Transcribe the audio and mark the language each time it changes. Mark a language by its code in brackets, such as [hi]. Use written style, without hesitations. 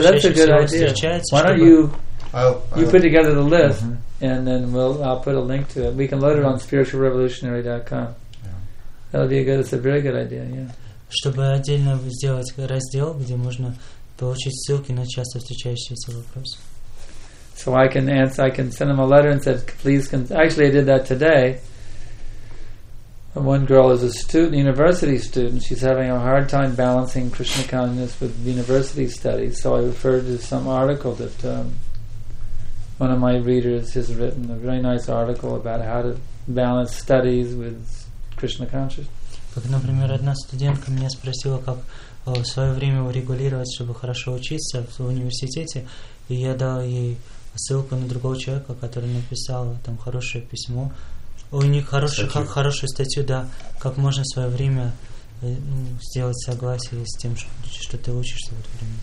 [en] yeah, that's a good idea. Why don't you you put together the list, mm-hmm. and then I'll put a link to it. We can load it on spiritualrevolutionary.com. Yeah. That'll be a good. It's a very good idea. Yeah. [ru] Чтобы отдельно сделать раздел, где можно получить ссылки на часто встречающиеся вопросы. [en] So I can answer. I can send them a letter and said, please. Actually, I did that today. One girl is a student, university student. She's having a hard time balancing Krishna consciousness with university studies. So I referred to some article that one of my readers has written, a very nice article about how to balance studies with Krishna consciousness. [ru] Как, например, одна студентка меня спросила, как в свое время урегулировать, чтобы хорошо учиться в университете, и я дал ей ссылку на другого человека, который написал там хорошее письмо. У них хорошую статью, да, как можно в свое время сделать согласие с тем, что ты учишься в это время.